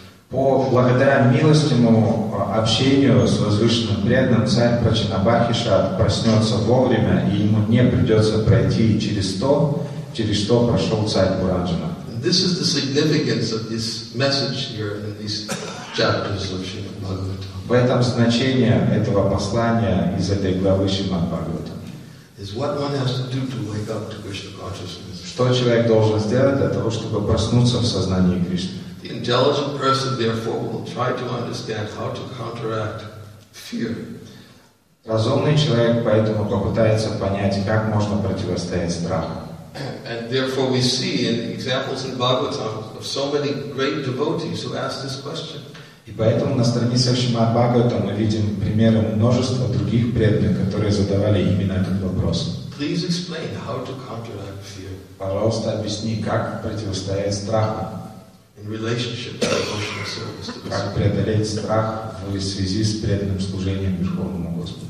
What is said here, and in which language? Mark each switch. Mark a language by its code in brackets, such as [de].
[ru] По благодаря милостивому общению с возвышенным преданным, царь Пачина Бхакишат проснется вовремя, и ему не придется пройти через то, через что прошел царь Паранджана. [en] This is the significance of this message here in these chapters of Srimad Bhagavatam. [ru] В этом значение этого послания из этой главы Шримад Бхагаватам. [en] Is what one has to do to wake up to Krishna consciousness. [ru] Что человек должен сделать для того, чтобы проснуться в сознании Кришны? [en] The intelligent person, therefore, will try to understand how to counteract fear. [ru] Разумный человек поэтому попытается понять, как можно противостоять страху. [en] And therefore, we see in examples in Bhagavatam of so many great devotees who ask this question. [ru] И поэтому на страницах Шримад Бхагаватам мы видим примеры множества других преданных, которые задавали именно этот вопрос. [en] Please explain how to counteract fear. [ru] Пожалуйста, объясни, как противостоять страху. [en] In relationship to devotional service. [ru] Как преодолеть страх в связи с преданным служением Верховному Господу.